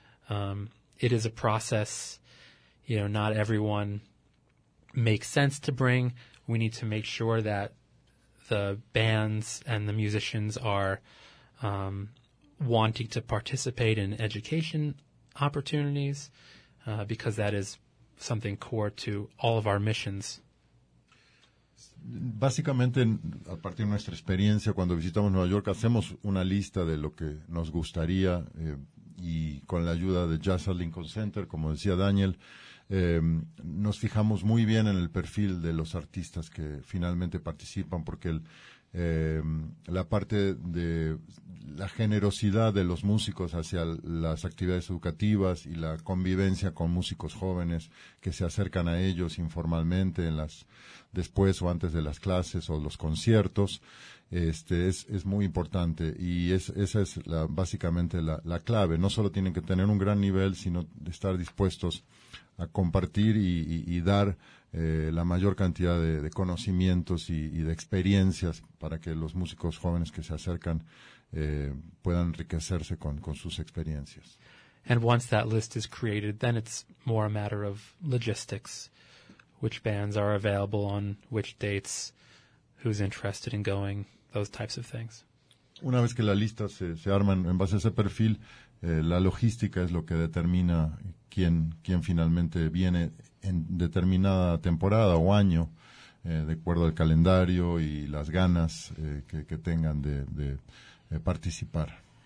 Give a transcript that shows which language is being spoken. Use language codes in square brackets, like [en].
[en] It is a process. You know, not everyone makes sense to bring. We need to make sure that the bands and the musicians are wanting to participate in education opportunities, because that is something core to all of our missions. [es] Básicamente, a partir de nuestra experiencia, cuando visitamos Nueva York, hacemos una lista de lo que nos gustaría y con la ayuda de Jazz at Lincoln Center, como decía Daniel, nos fijamos muy bien en el perfil de los artistas que finalmente participan, porque la parte de la generosidad de los músicos hacia las actividades educativas y la convivencia con músicos jóvenes que se acercan a ellos informalmente después o antes de las clases o los conciertos, es muy importante, y esa es básicamente la clave. No solo tienen que tener un gran nivel, sino de estar dispuestos a compartir y dar la mayor cantidad de conocimientos y de experiencias para que los músicos jóvenes que se acercan puedan enriquecerse con sus experiencias. [en] And once that list is created, then it's more a matter of logistics. Which bands are available on which dates, who's interested in going, those types of things. [es] Una vez que la lista se arma en base a ese perfil, la logística es lo que determina quién finalmente viene en determinada temporada o año, de acuerdo al calendario y las ganas que tengan de participar.